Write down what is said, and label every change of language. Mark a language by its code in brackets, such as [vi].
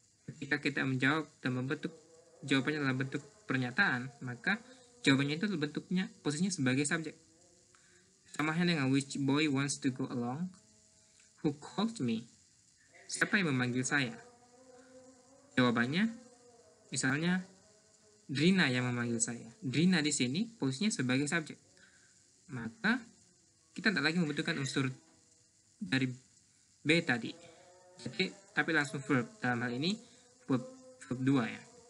[id] Ketika kita menjawab dan membentuk jawabannya dalam bentuk pernyataan, maka jawabannya itu bentuknya posisinya sebagai subjek. Sama halnya dengan [en] which boy wants to go along, who called me? [id] Siapa yang memanggil saya? Jawabannya, misalnya Drina yang memanggil saya. Drina di sini posisinya sebagai subjek. Maka kita tidak lagi membutuhkan unsur dari B tadi. Jadi, tapi langsung verb. Dalam hal ini, verb 2 ya.